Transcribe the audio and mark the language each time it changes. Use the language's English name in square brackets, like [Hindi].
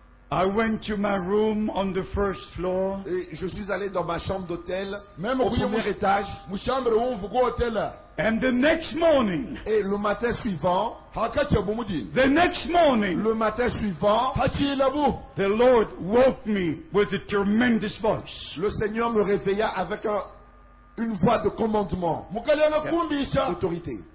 [English] I went to my room on the first floor. [French] Et je suis allé dans ma chambre d'hôtel, même au premier étage. Ma chambre où vous hôtel. [English] And the next morning, [French] et le matin suivant, [English] the next morning, [French] le matin suivant, [English] the Lord woke me with a tremendous voice. [French] Le Seigneur me réveilla avec une voix de commandement, d'autorité.